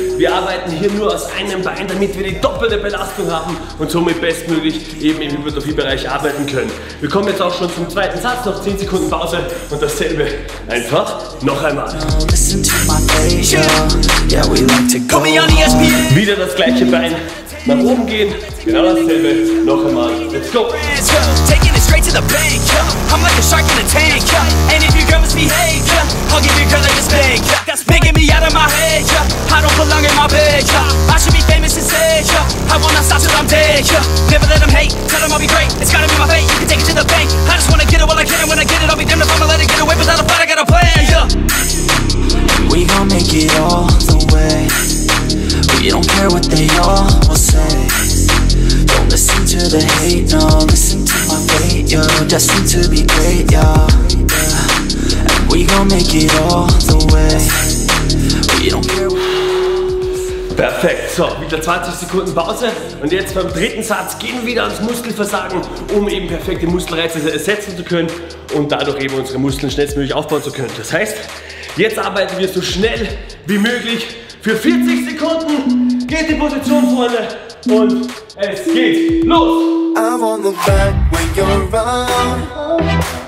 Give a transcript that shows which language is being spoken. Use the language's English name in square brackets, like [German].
[German] Wir arbeiten hier nur aus einem Bein, damit wir die doppelte Belastung haben und somit bestmöglich eben im Hypertrophiebereich arbeiten können. Wir kommen jetzt auch schon zum zweiten Satz, noch 10 Sekunden Pause und dasselbe einfach noch einmal. Wieder das gleiche Bein nach oben gehen, genau dasselbe noch einmal. [English] Let's go! Straight to the bank, yeah. I'm like a shark in a tank, yeah. And if your girl misbehaves, yeah, I'll give your girl a spank, yeah. That's making me out of my head, yeah. I don't belong in my bed, yeah. I should be famous and sad, yeah. I will not stop till I'm dead, yeah. Never let them hate, tell them I'll be great. It's gotta be my fate, you can take it to the bank. I just wanna get it while I get it, when I get it I'll be damned if I'ma let it get away. Without a fight I got a plan, yeah. We gon' make it all the way. We don't care what they all will say. Don't listen to the hate, no, listen to my fate. You're destined to be great, yeah. And we gon' make it all the way. We don't care what. [German] Perfekt, so, wieder 20 Sekunden Pause und jetzt beim dritten Satz gehen wir wieder ans Muskelversagen, um eben perfekte Muskelreize ersetzen zu können und dadurch eben unsere Muskeln schnellstmöglich aufbauen zu können. Das heißt, jetzt arbeiten wir so schnell wie möglich für 40 Sekunden. Geht die Position, Freunde, und es geht los! [English] I want the back when you're around.